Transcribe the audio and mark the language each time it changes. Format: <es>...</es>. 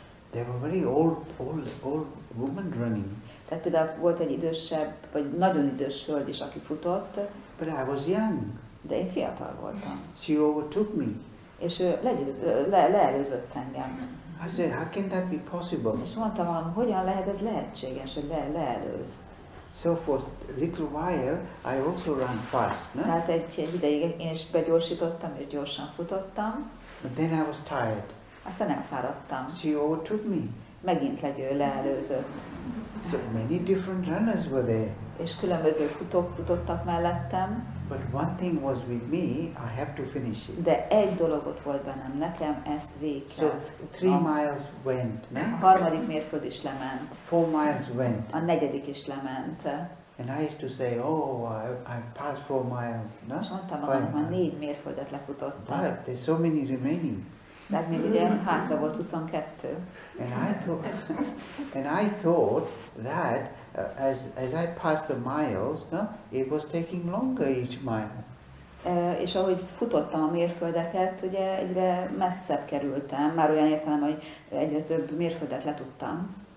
<en>They were very old woman running.</en> <hu>Tehát például volt egy idősebb, vagy nagyon idős hölgy is, aki futott.</hu> <en>But I was young.</en> <hu>De én fiatal voltam.</hu> <en>She overtook me.</en> <hu>És leelőzött engem.</hu> <en>I said, how can that be possible?</en> <hu>És mondtam, hogyan lehet ez lehetséges, hogy leelőz.</hu> <en>So for a little while, I also ran fast, no?</en> <hu>Tehát egy ideig én is begyorsítottam, és gyorsan futottam.</hu> <en>But then I was tired.</en> <hu>Aztán elfáradtam.</hu> <en>She overtook me.</en> <hu>Megint leelőzött.</hu> <en>So many different runners were there.</en> <hu>És különböző futók futottak mellettem.</hu> <en>But one thing was with me, I have to finish it.</en> <hu>De egy dologot volt bennem, nekem ezt végig.</hu> <en>So 3 miles went, no?</en> <hu>Harmadik mérföld is lement.</hu> <en>4 miles went.</en> <hu>A negyedik is lement.</hu> <en>And I used to say, oh, I passed 4 miles, no?</en> <hu>És mondtam magam, hogy 4 mérföldet lefutottam.</hu> <en>But there's so many remaining.</en> <hu>De még ugye hátra volt 22.</hu> <en>And I thought that as I passed the miles, no, it was taking longer each mile.</en> <hu>És ahogy futottam a mérföldeket, ugye egyre messzebb kerültem, már olyan értelem, hogy egyre több mérföldet letudtam.</hu>